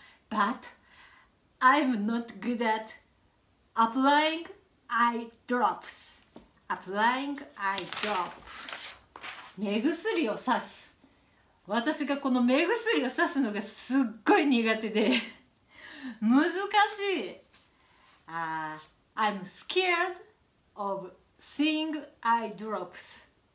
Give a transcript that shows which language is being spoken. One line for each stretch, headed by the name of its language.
English: But I'm not good at applying eye drops. Applying eye drops.
Japanese: 目薬をさす。私がこの目薬をさすのがすっごい苦手で難しい。
English: I'm scared of seeing eye drops.